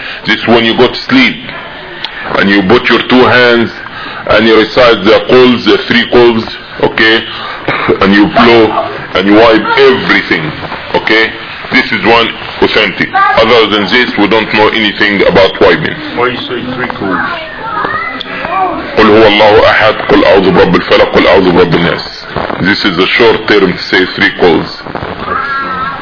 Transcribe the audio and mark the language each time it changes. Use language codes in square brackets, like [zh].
[en] This when you go to sleep and you put your two hands and you recite the quls, the three quls, okay, and you blow and you wipe everything, okay. This is one authentic. Other than this, we don't know anything about wiping. Why you say three quls? [ar] قل هو الله أحد قل أعوذ برب الفلق قل أعوذ برب الناس. [en] This is a short term to say three quls.